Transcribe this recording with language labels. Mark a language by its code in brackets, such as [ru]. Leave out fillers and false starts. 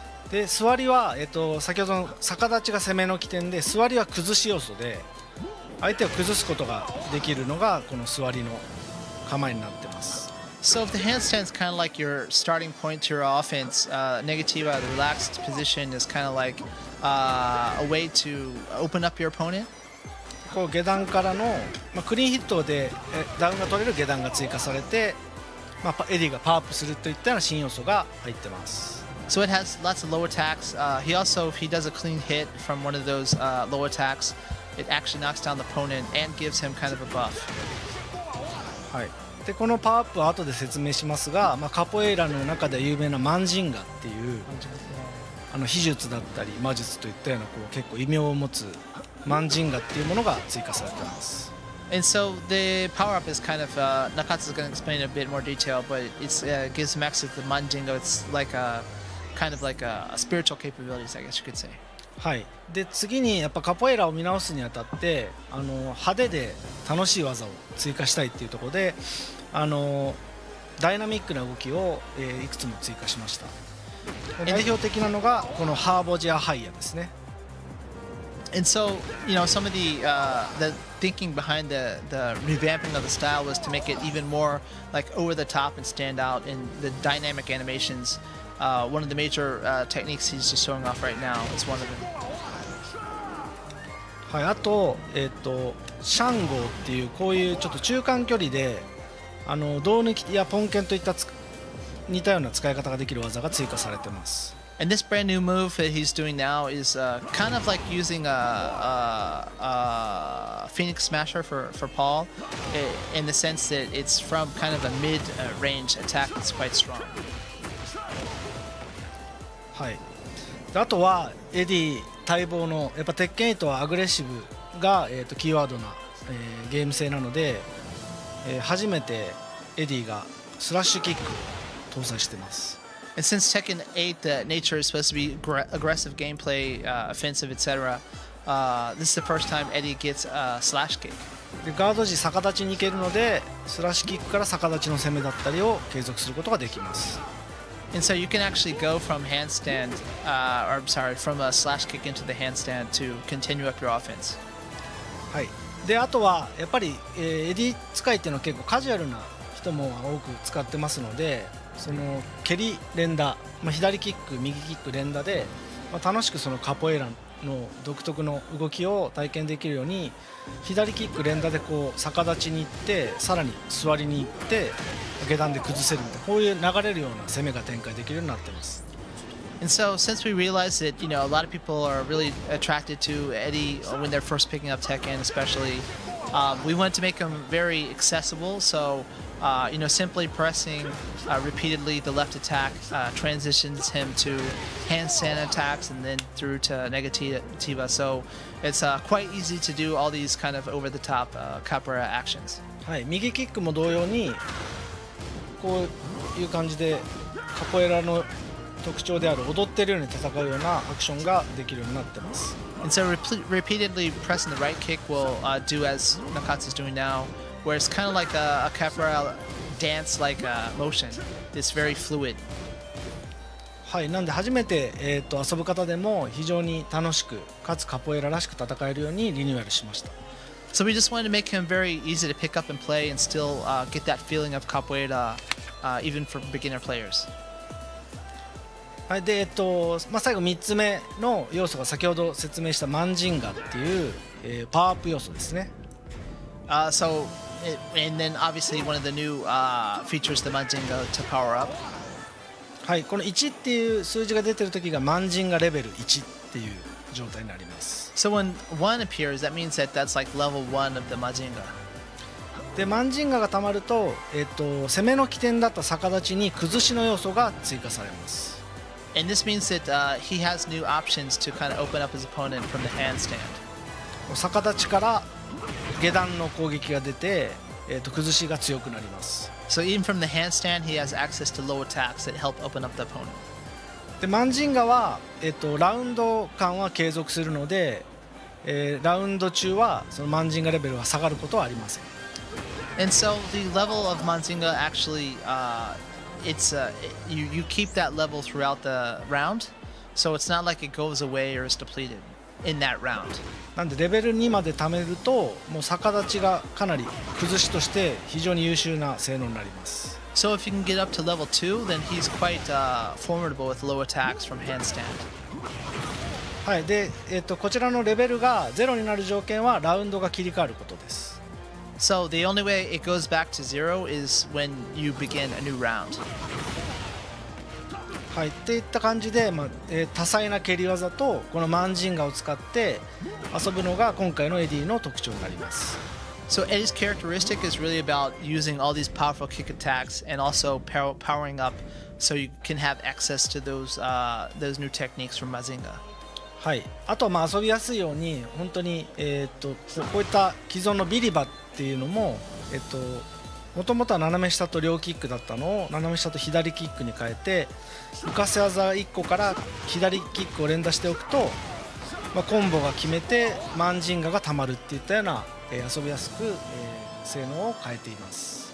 [ja] で座りは、先ほどの逆立ちが攻めの起点で座りは崩し要素で相手を崩すことができるのがこの座りの構えになってます。 [en] So if the handstand is kind of like your starting point to your offense, negativa, the relaxed position is kind of like a way to open up your opponent. [ja] こう下段からの、まあ、クリーンヒットでダウンが取れる下段が追加されて、まあ、エディがパワーアップするといったような新要素が入ってます。 [en] So it has lots of low attacks. He also, if he does a clean hit from one of those low attacks, it actually knocks down the opponent and gives him kind of a buff. [ja] はい。で、このパワーアップは後で説明しますが、まあ、カポエイラの中で有名なマンジンガっていう、あの秘術だったり魔術といったようなこう結構異名を持つマンジンガっていうものが追加されています。 [en] And so the power up is kind of Nakatsu is going to explain a bit more detail, but it's gives him access to the Manjinga. It's like a kind of like a spiritual capabilities, I guess you could say. [ja] はい。で次にやっぱカポエラを見直すにあたって、あの派手で楽しい技を追加したいっていうところで、あのダイナミックな動きを、いくつも追加しました。代表的なのがこのハーボジアハイヤですね。 [en] And so, you know, some of the thinking behind the revamping of the style was to make it even more like over the top and stand out in the dynamic animations. One of the major techniques he's just showing off right now is one of them. [ja] はい、あと、シャンゴっていうこういうちょっと中間距離で、あの胴抜きやポンケンといった似たような使い方ができる技が追加されてます。 [en] And this brand new move that he's doing now is kind of like using a Phoenix Smasher for Paul, in the sense that it's from kind of a mid range attack that's quite strong. [ja] はい。あとはエディ待望のやっぱ鉄拳8はアグレッシブがキーワードな、ゲーム性なので、初めてエディがスラッシュキック搭載してます。 [en] And since Tekken 8, the nature is supposed to be aggressive gameplay, offensive, etc. This is the first time Eddy gets a slash kick. [ja] でガード時逆立ちに行けるので、スラッシュキックから逆立ちの攻めだったりを継続することができます。 [en] And so you can actually go from handstand, or I'm sorry, from a slash kick into the handstand to continue up your offense. [ja] はい。で、あとはやっぱり、Eddy 使いっていうのは結構カジュアルな人も多く使ってますので、その蹴り連打、まあ、左キック右キック連打で、まあ、楽しくそのカポエラの独特の動きを体験できるように、左キック連打でこう逆立ちに行ってさらに座りに行って下段で崩せるみたいな、こういう流れるような攻めが展開できるようになってます。 [en] And so since we realized that, you know, a lot of people are really attracted to Eddy when they're first picking up Tekken especially, we want to make him very accessible, soyou know, simply pressing repeatedly the left attack transitions him to handstand attacks and then through to negativa. So it's quite easy to do all these kind of over the top capoeira actions. [ja] はい、右キックも同様にこういう感じでカポエラの特徴である踊ってるように戦うようなアクションができるようになってます。 [en] And so repeatedly pressing the right kick will do as Nakatsu is doing now. Where it's kind of like a capoeira dance like a motion. It's very fluid. [ja] はい、なんで初めて遊ぶ方でも非常に楽しく、かつカポエラらしく戦えるようにリニューアルしました。 [en] So we just wanted to make him very easy to pick up and play and still get that feeling of capoeira even for beginner players. [ja] はい、で、まあ、最後3つ目の要素が先ほど説明したマンジンガっていう、パワーアップ要素ですね。 [en] So,And then obviously one of the new features, the Manjinga to power up. [ja] はい、この1っていう数字が出てる時が Manjinga レベル1っていう状態になります。 [en] So when 1 appears, that means that that's like level 1 of the Manjinga. [ja] で、Manjinga が溜まると、攻めの起点だった逆立ちに崩しの要素が追加されます。 [en] And this means that he has new options to kind of open up his opponent from the handstand. [ja] 逆立ちから下段の攻撃が出て、崩しが強くなります。 [en] So even from the handstand he has access to low attacks that help open up the opponent. [ja] で、マンジンガは、ラウンド間は継続するので、ラウンド中はそのマンジンガレベルは下がることはありません。 [en] And so the level of Manjinga actually, it's, you keep that level throughout the round, So it's not like it goes away or is depleted in that round. [ja] なんでレベル2まで貯めるともう逆立ちがかなり崩しとして非常に優秀な性能になります。 [en] So if you can get up to level 2, then he's quite formidable with low attacks from handstand. [ja] はい、で、こちらのレベルが0になる条件はラウンドが切り替わることです。 [en] So the only way it goes back to 0 is when you begin a new round. [ja] はい、っていった感じで、まあ多彩な蹴り技とこのマンジンガを使って遊ぶのが今回のエディの特徴になります。 [en] So Eddy's characteristic is really about using all these powerful kick attacks and also powering up so you can have access to those new techniques from Mazinga. [ja] はい、あとはまあ遊びやすいように本当に、こういった既存のビリバっていうのも、もともとは斜め下と両キックだったのを斜め下と左キックに変えて浮かせ技1個から左キックを連打しておくと、まあ、コンボが決めてマンジンガがたまるっていったような遊びやすく、性能を変えています。